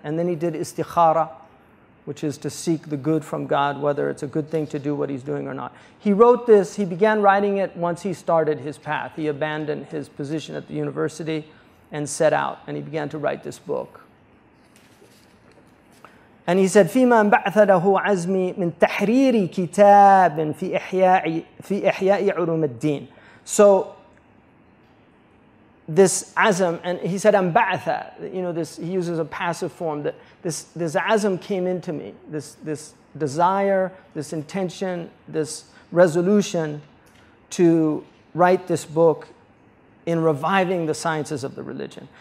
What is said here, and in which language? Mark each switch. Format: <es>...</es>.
<en>And then he did istikhara, which is to seek the good from God, whether it's a good thing to do what he's doing or not. He wrote this, he began writing it once he started his path. He abandoned his position at the university and set out, and he began to write this book.</en> <ar>And he said, فِيمَا بَعْثَ لَهُ عَزْمِي مِنْ تَحْرِيرِ كِتَابٍ فِي إِحْيَاءِ عُلُومِ الدِّينِ.</ar> <en>So, this azm, and he said, I'm ba'tha, you know, this, he uses a passive form, that this azm came into me, this desire, this intention, this resolution to write this book in reviving the sciences of the religion.</en>